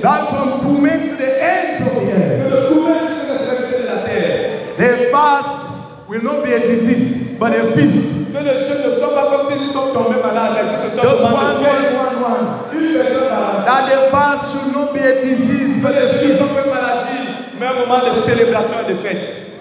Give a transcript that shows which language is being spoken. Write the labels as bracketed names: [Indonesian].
[English] That from Poumé to the end of the earth. [French] Que le Poumé jusqu'à la fin de la terre. [English] The fast will not be a disease, but a feast. [French] Que le jeûne ne soit pas comme s'ils sont tombés malades. [English] Just one. [French] Une personne par jour. [English] That the fast should not be a disease. [French] Que le jeûne ne soit pas maladie, mais un moment de célébration et de fête.